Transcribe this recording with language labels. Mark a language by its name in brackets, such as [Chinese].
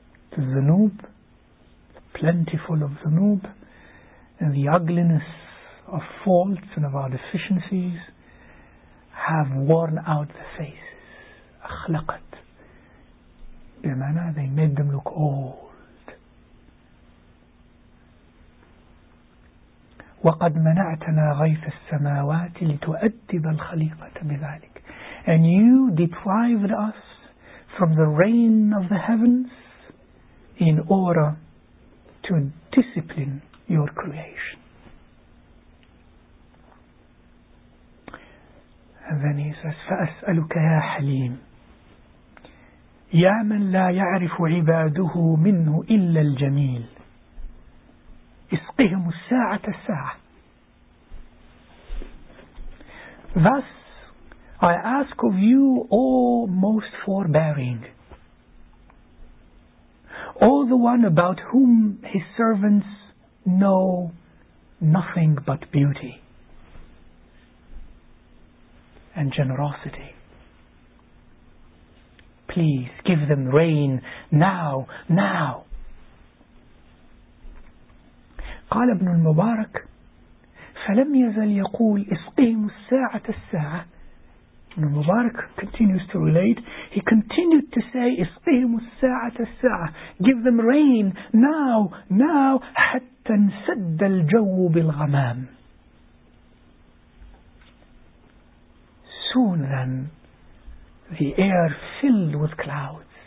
[English] The zunub, plentiful of zunub, and the ugliness of faults and of our deficiencies have worn out the faces. [Arabic] أخلقت بمعنى, [English] they made them look old. [Arabic] وقد منعتنا غيث السماوات لتؤدب الخليقة بذلك. [English] And you deprived us from the rain of the heavens in order to discipline your creation. And then he says, [Arabic] فَأَسْأَلُكَ يَا حَلِيمٌ يَا مَنْ لَا يَعْرِفُ عِبَادُهُ مِنْهُ إِلَّا الْجَمِيلِ اسْقِهِمُ السَّاعَةَ السَّاعَةَ. [English] Thus, I ask of you, O most forbearing, O the one about whom his servants know nothing but beauty and generosity, please give them rain now, now. [Arabic] قال ابن المبارك فلم يزل يقول اسقيهم الساعة الساعة. [English] Ibn Mubarak continues to relate, he continued to say [Arabic] اسقيهم الساعة الساعة, [English] give them rain now, now, [Arabic] حتى انسد الجو بالغمام. [English] Soon then, the air filled with clouds.